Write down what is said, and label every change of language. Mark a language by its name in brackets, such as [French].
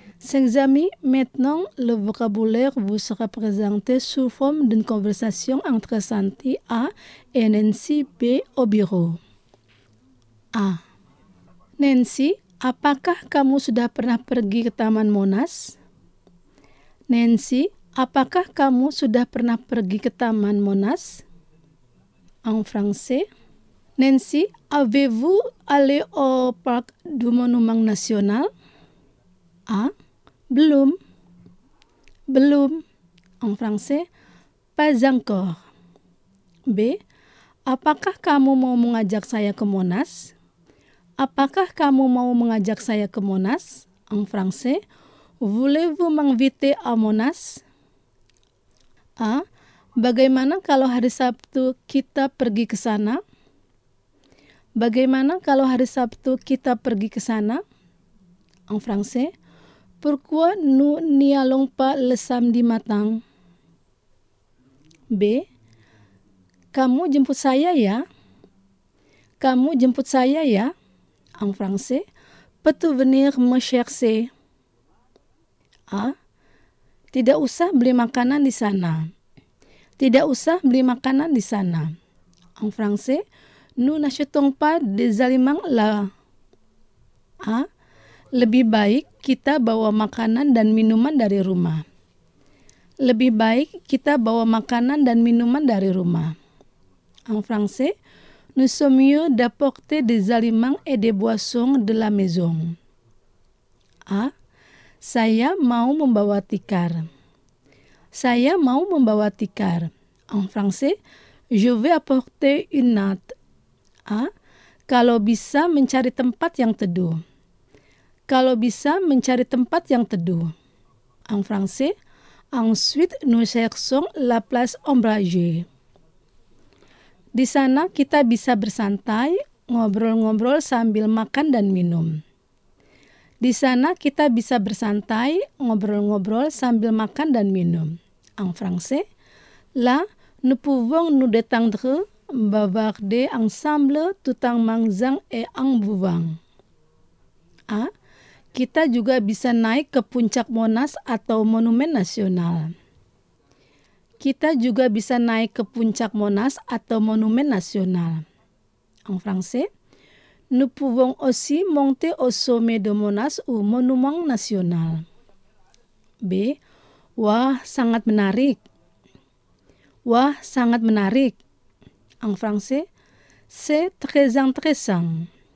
[French] Chers amis, maintenant, le vocabulaire vous sera présenté sous forme d'une conversation entre Santi A et Nancy B au bureau. A. [Indonesian] Nancy, apakah kamu sudah pernah pergi ke Taman Monas? Nancy, apakah kamu sudah pernah pergi ke Taman Monas? [French] En français. Nancy, avez-vous allé au Parc du Monument National? A. [Indonesian] Belum. Belum. [French] En français. Pas encore. B. [Indonesian] Apakah kamu mau mengajak saya ke Monas? Apakah kamu mau mengajak saya ke Monas? [French] En français, voulez-vous m'inviter à Monas? A. [Indonesian] Bagaimana kalau hari Sabtu kita pergi ke sana? Bagaimana kalau hari Sabtu kita pergi ke sana? [French] En français, pourquoi nous n'y allons pas le samedi matin? [Indonesian] B. Kamu jemput saya ya? Kamu jemput saya ya? [French] En français, peux-tu venir me chercher? A. [Indonesian] Tidak usah beli makanan di sana. Tidak usah beli makanan di sana. [French] En français, nous n'achetons pas des aliments là. A. [Indonesian] Lebih baik kita bawa makanan dan minuman dari rumah. Lebih baik kita bawa makanan dan minuman dari rumah. [French] En français, nous sommes mieux d'apporter des aliments et des boissons de la maison. A. [Indonesian] Saya mau membawa tikar. Saya mau membawa tikar. [French] En français, je vais apporter une natte. [Indonesian] Kalau bisa mencari tempat yang teduh. Kalau bisa mencari tempat yang teduh. [French] En français, ensuite nous cherchons la place ombragée. [Indonesian] Di sana kita bisa bersantai, ngobrol-ngobrol sambil makan dan minum. Di sana kita bisa bersantai, ngobrol-ngobrol sambil makan dan minum. [French] En français, là, nous pouvons nous détendre, bavarder ensemble tout en mangeant et en buvant. [Indonesian] Kita juga bisa naik ke puncak Monas atau Monumen Nasional. Kita juga bisa naik ke puncak Monas atau Monumen Nasional. [French] En français, nous pouvons aussi monter au sommet de Monas ou Monument National. B. [Indonesian] Wah, sangat menarik. Wah, sangat menarik. [French] En français, c'est très intéressant.